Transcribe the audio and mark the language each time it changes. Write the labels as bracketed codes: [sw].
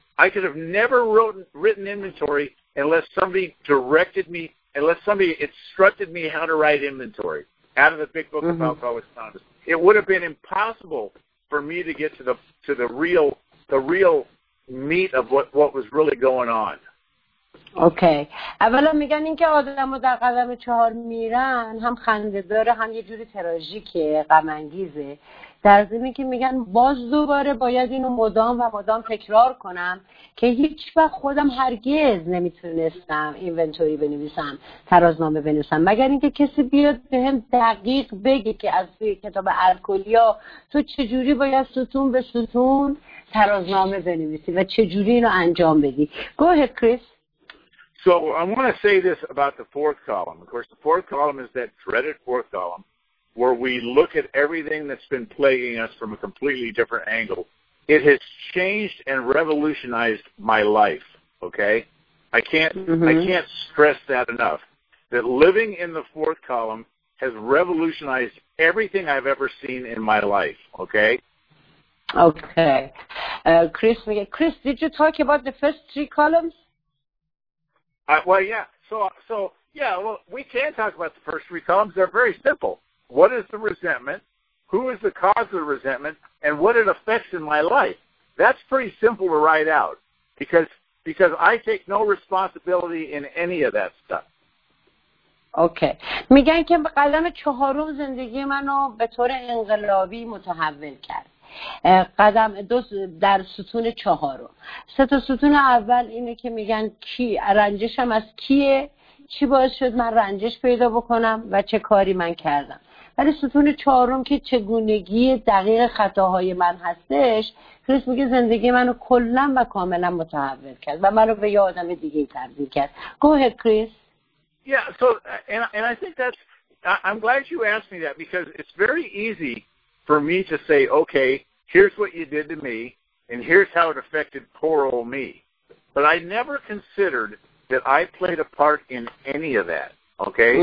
[en] I could have never written inventory unless somebody directed me, unless somebody instructed me how to write inventory out of the big book of Alcoholics Anonymous. It would have been impossible for me to get to the real meat of what was really going on. Okay okay. [fa] اولا میگن این که آدم ها در قدم چهار میرن هم خنده داره هم یه جوری تراژیکه غم انگیزه، در ضمن که میگن باز دوباره باید اینو مدام و مدام تکرار کنم که هیچ وقت خودم هرگز نمیتونستم اینونتوری بنویسم، ترازنامه بنویسم، مگر اینکه کسی بیاد بهم دقیق بگه که از توی کتاب الکلیا تو چجوری باید ستون به ستون ترازنامه بنویسی و چجوری اینو انجام بدی. [en] Go ahead, Chris. So I want to say this about the fourth column. Of course, the fourth column is that dreaded fourth column where we look at everything that's been plaguing us from a completely different angle. It has changed and revolutionized my life, okay? I can't stress that enough, that living in the fourth column has revolutionized everything I've ever seen in my life, okay? Okay. Chris, did you talk about the first three columns? Well, we can talk about the first three columns. They're very simple. What is the resentment? Who is the cause of the resentment? And what it affects in my life? That's pretty simple to write out because I take no responsibility in any of that stuff. [fa] اوکی میگن که قلم چهارم زندگی منو به طور انقلابی متحول کرد. قدم دو در ستون چهارم. سه تا ستون اول اینه که میگن کی رنجشم از کیه، چی باعث شد من رنجش پیدا بکنم و چه کاری من کردم. ولی ستون چهارم که چگونگی دقیق خطاهای من هستش، کریس میگه زندگی منو کلا و کاملا متحول کرد و منو به یه آدم دیگه تبدیل کرد. [en] Go ahead, Chris. Yeah, so, and I think that's, I'm glad you asked me that because it's very easy for me to say, okay, here's what you did to me, and here's how it affected poor old me. But I never considered that I played a part in any of that, okay?